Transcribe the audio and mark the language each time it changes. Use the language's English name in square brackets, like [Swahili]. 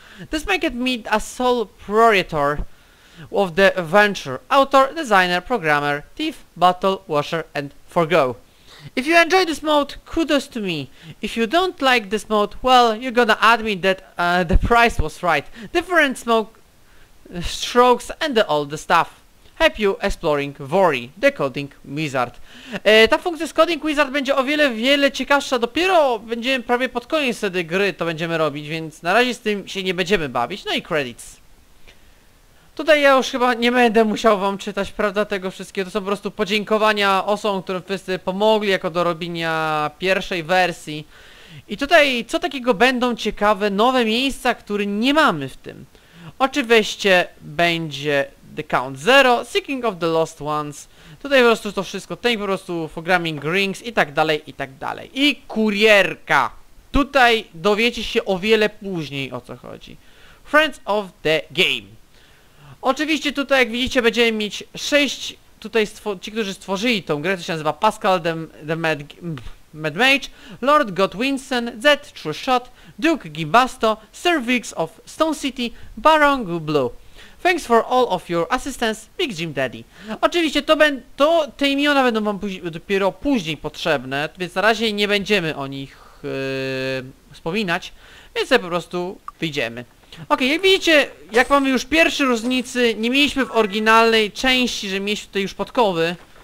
[English] This makes me a sole proprietor of the venture, author, designer, programmer, thief, battle, washer and forgo. If you enjoy this mode, kudos to me. If you don't like this mode, well, you're gonna admit that the price was right. Different smoke strokes and all the stuff. Help you exploring Vori, the Coding Wizard. [Polish] Ta funkcja z Coding Wizard będzie o wiele, wiele ciekawsza. Dopiero będziemy prawie pod koniec wtedy gry to będziemy robić, więc na razie z tym się nie będziemy bawić. No i credits. Tutaj ja już chyba nie będę musiał wam czytać, prawda, tego wszystkiego. To są po prostu podziękowania osobom, którym wszyscy pomogli jako do robienia pierwszej wersji. I tutaj co takiego będą ciekawe nowe miejsca, które nie mamy w tym. Oczywiście będzie The Count Zero, Seeking of the Lost Ones. Tutaj po prostu to wszystko, tutaj po prostu Programming Rings i tak dalej, i tak dalej. I kurierka. Tutaj dowiecie się o wiele później o co chodzi. [English] Friends of the Game. [Polish] Oczywiście tutaj, jak widzicie, będziemy mieć sześć, tutaj ci, którzy stworzyli tą grę, to się nazywa Pascal the Mad Mage, Lord Godwinson, Zed True Shot, Duke Gimbasto, Sir Vix of Stone City, Baron Gublu. [English] Thanks for all of your assistance, Big Jim Daddy. [Polish] Oczywiście te imiona będą wam dopiero później potrzebne, więc na razie nie będziemy o nich wspominać, więc po prostu wyjdziemy. Okej, jak widzicie, jak mamy już pierwsze różnicy, nie mieliśmy w oryginalnej części, że mieliśmy tutaj już podkowy.